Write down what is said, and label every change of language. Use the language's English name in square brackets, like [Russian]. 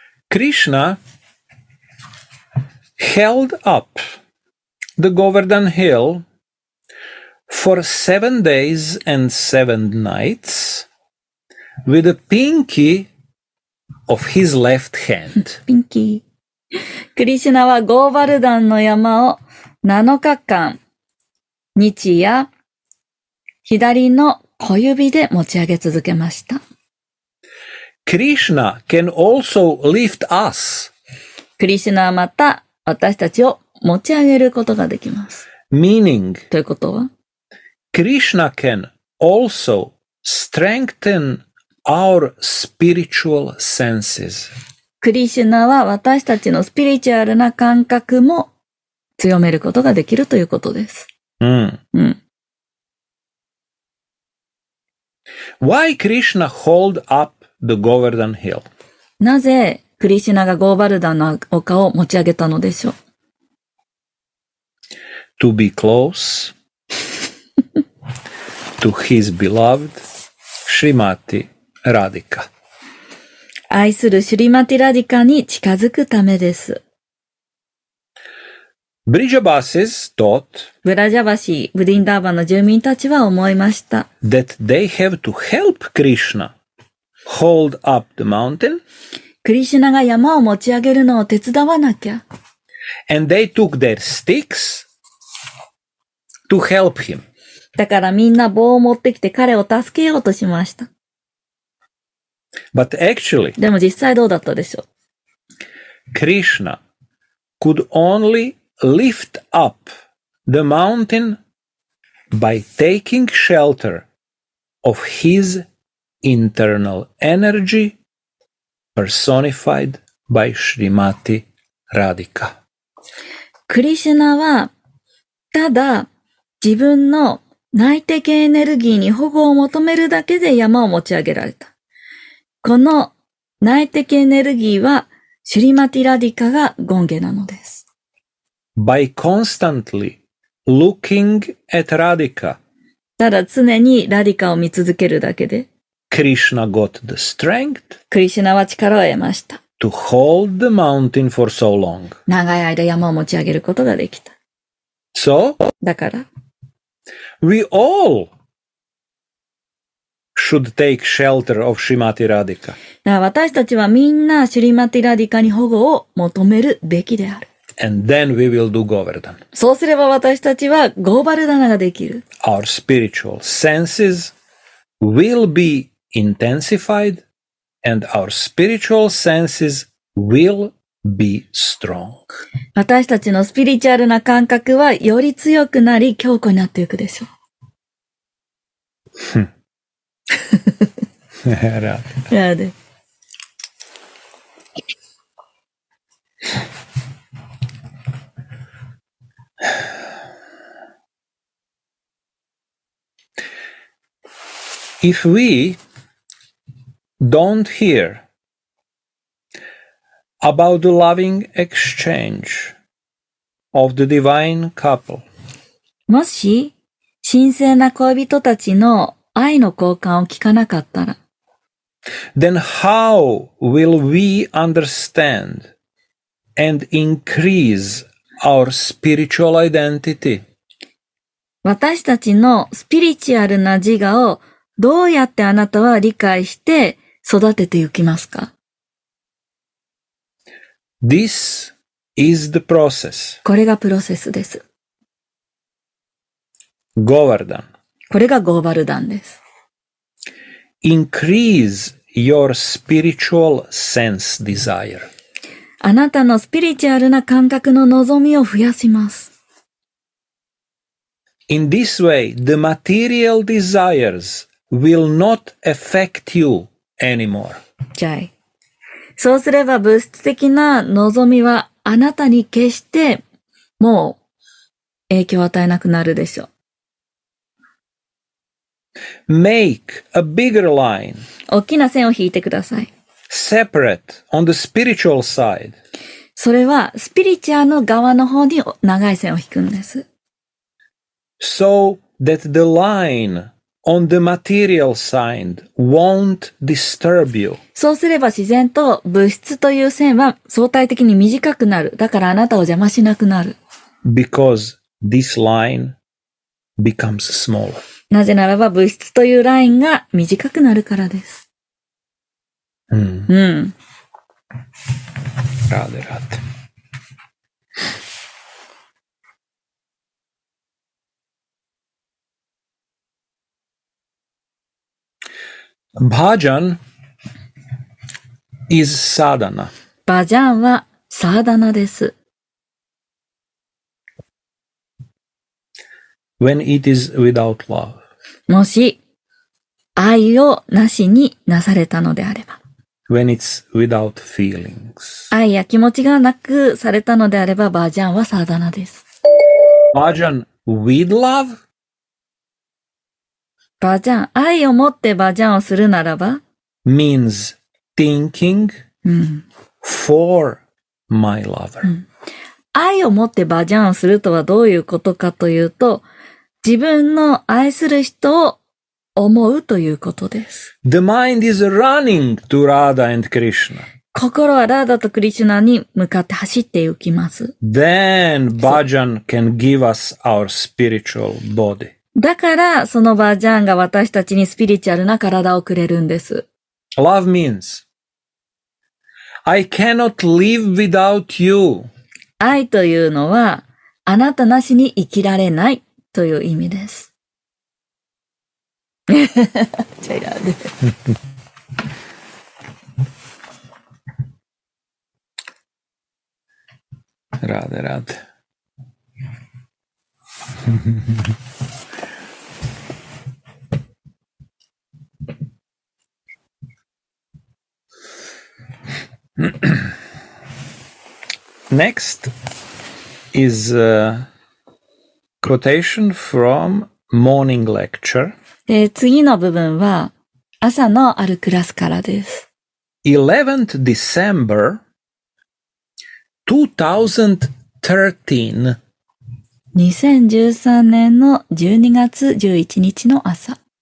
[English] Krishna held up the Govardhan Hill for 7 days and 7 nights with a pinky of his left hand. Pinky. [Japanese] Krishna はゴーバルダンの山を7日間、日夜、左の小指で持ち上げ続けました。 [English] Krishna can also lift us. [Japanese] クリシュナはまた私たちを持ち上げることができます。 [English] Meaning. [Japanese] ということは? [English] Krishna can also strengthen our spiritual senses. [Japanese] クリシュナは私たちのスピリチュアルな感覚も強めることができるということです。 [English] Why Krishna hold up? The Govardhan Hill. [Japanese] なぜクリシュナがゴーバルダンの丘を持ち上げたのでしょう? [English] to be close to his beloved Shrimati Radhika. [Japanese] 愛するシュリマティラディカに近づくためです。 [English] Brijabasis thought, [Japanese] ブラジャバシー、ブリンダーバの住民たちは思いました。 [English] That they have to help Krishna hold up the mountain. [Japanese] クリシュナが山を持ち上げるのを手伝わなきゃ。 [English] And they took their sticks to help him. [Japanese] だからみんな棒を持ってきて彼を助けようとしました。 [English] But actually, [Japanese] でも実際どうだったでしょう。 [English] Krishna could only lift up the mountain by taking shelter of his internal energy personified by Shrimati Radhika. [Japanese] Krishna はただ自分の内的エネルギーに保護を求めるだけで山を持ち上げられた。この内的エネルギーはシュリマティラディカがゴンゲなのです。 [English] By constantly looking at Radhika, [Japanese] ただ常にラディカを見続けるだけで、 [English] Krishna got the strength, [Japanese] クリシュナは力を得ました。 [English] To hold the mountain for so long. [Japanese] 長い間山を持ち上げることができた。 [English] So, [Japanese] だから、 [English] We all should take shelter of Shrimati Radhika. [Japanese] 私たちはみんなシュリマティラディカに保護を求めるべきである。 [English] And then we will do Govardhan. [Japanese] そうすれば私たちはゴーバルダナができる。 [English] Our spiritual senses will be intensified and our spiritual senses will be strong. [Japanese] 私たちのスピリチュアルな感覚はより強くなり強固になっていくでしょう。やで。 [English] If we don't hear about the loving exchange of the divine couple, [Japanese] もし神聖な恋人たちの愛の交換を聞かなかったら、 [English] Then how will we understand and increase our spiritual identity? [Japanese] 私たちのスピリチュアルな自我をどうやってあなたは理解して育てていきますか? [English] This is the process. [Japanese] これがプロセスです。 [English] Govardhan. [Japanese] これがゴーバルダンです。 [English] Increase your spiritual sense desire. [Japanese] あなたのスピリチュアルな感覚の望みを増やします。 [English] In this way, the material desires will not affect you anymore. じゃい。 [Japanese] そうすれば物質的な望みはあなたに決してもう影響を与えなくなるでしょう。 [English] Make a bigger line. [Japanese] 大きな線を引いてください。 [English] Separate on the spiritual side. [Japanese] それはスピリチュアルの側の方に長い線を引くんです。 So that the line on the material side won't disturb you. そうすれば自然と物質という線は相対的に短くなる。だからあなたを邪魔しなくなる。 [English] Because this line becomes smaller. [Japanese] なぜならば物質というラインが短くなるからです。うん。うん。ラデラテ。 [English] バジャン is サーダナ。 [Japanese] バジャンはサーダナです。 [English] When it is without love. [Japanese] もし愛をなしになされたのであれば、 [English] When it's without feelings. [Japanese] 愛や気持ちがなくされたのであればバージャンはサーダナです。 [English] バージャン with love? [Japanese] バージャン、愛を持ってバージャンをするならば [English] means thinking for my lover、 [Japanese] うん、愛を持ってバジャンするとはどういうことかというと、自分の愛する人を思うということです。 [English] The mind is running to Radha and Krishna. [Japanese] 心はラーダとクリシュナに向かって走って行きます。 [English] Then bhajan can give us our spiritual body. [Japanese] だから、そのバジャンが私たちにスピリチュアルな体をくれるんです。 [English] Love means, I cannot live without you. [Japanese] 愛というのは、あなたなしに生きられない。という意味です。違うね。ラデラデ。 [English] Next is. Quotation from morning lecture. [Japanese] で、次の部分は朝のあるクラスからです。 [English] 11th December 2013. [Japanese] 2013年の12月11日の朝。